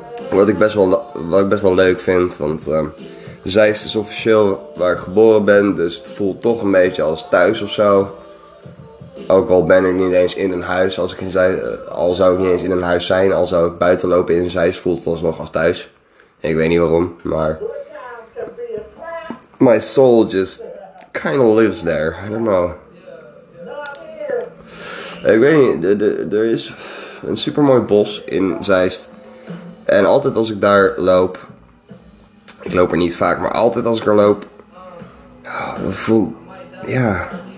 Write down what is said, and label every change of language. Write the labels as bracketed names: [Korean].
[Dutch] Wat ik best wel leuk vind. Want Zeist is officieel waar ik geboren ben. Dus het voelt toch een beetje als thuis of zo. Ook al ben ik niet eens in een huis. Al zou ik niet eens in een huis zijn. Al zou ik buiten lopen in Zeist, voelt het alsnog als thuis. Ik weet niet waarom. Maar [English] my soul just kind of lives there. I don't know. [Dutch] Ik weet niet, er is een supermooi bos in Zeist. En altijd als ik daar loop, ik loop er niet vaak, maar altijd als ik er loop, dat voel, ja.